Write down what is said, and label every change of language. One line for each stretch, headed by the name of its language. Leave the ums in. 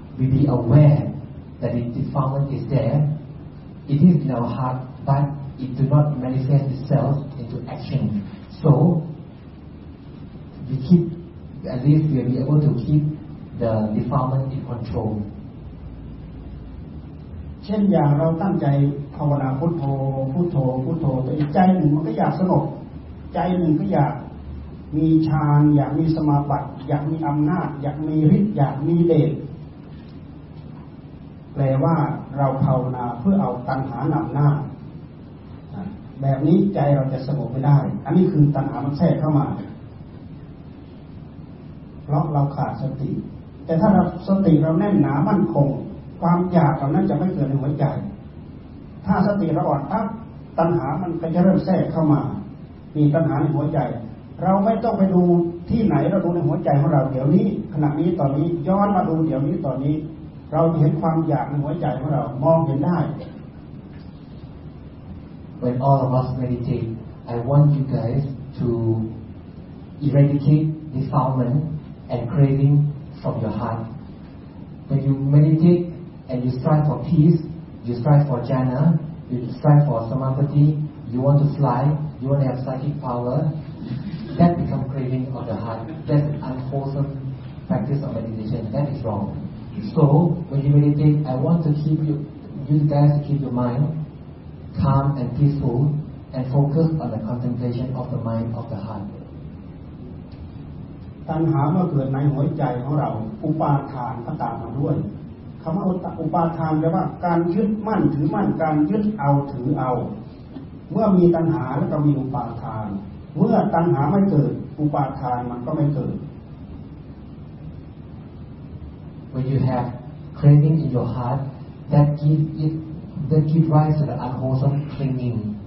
English: We be aware that the defilement is there. It is in our heart, but it do not manifest itself into action. So we keep at least we'll be able to keep the defilement in control.
Thai: เช่นอย่างเราตั้งใจภาวนาพุทโธพุทโธพุทโธแต่อีกใจหนึ่งมันก็อยากสงบใจหนึ่งก็อยากมีฌานอยากมีสมาบัติอยากมีอำนาจ อยากมีฤทธิ์อยากมีเดชแปลว่าเราภาวนาเพื่อเอาตัณหานำหน้า แบบนี้ใจเราจะสงบไม่ได้ อันนี้คือตัณหามันแทรกเข้ามา เพราะเราขาดสติ แต่ถ้าเราสติเราแน่นหนามั่นคงความอยากเหล่านั้นจะไม่เกิดในหัวใจ ถ้าสติเราอ่อนปั๊บตัณหามันก็จะเริ่มแทรกเข้ามา มีตัณหาในหัวใจ เราไม่ต้องไปดูที่ไหนเราดูในหัวใจของเราเดี๋ยวนี้ ขณะนี้ตอนนี้ย้อนมาดูเดี๋ยวนี้ตอนนี้ เราจะเห็นความอยากในหัวใจของเรามองเห็นได้
English: When all of us meditate, I want you guys to eradicate defilement and craving from your heart. When you meditate and you strive for peace, you strive for jhana, you strive for samadhi, you want to fly, you want to have psychic power, that become craving of the heart. That's an unwholesome practice of meditation. That is wrong. So when you meditate, I want to keep you, you guys to keep your mind calm and peaceful and focus on the contemplation of the mind of the heart.
Thai: ตัณหาเมื่อเกิดในหัวใจของเรา อุปาทานก็ตามมาด้วยคำว่าอุปาทานแปลว่าการยึดมั่นถือมั่นการยึดเอาถือเอา เมื่อมีตัณหาแล้วก็มีอุปาทาน เมื่อตัณหาไม่เกิด อุปาทานมันก็ไม่เกิด
English: When you have craving in your heart, that give it that give rise to the unwholesome clinging.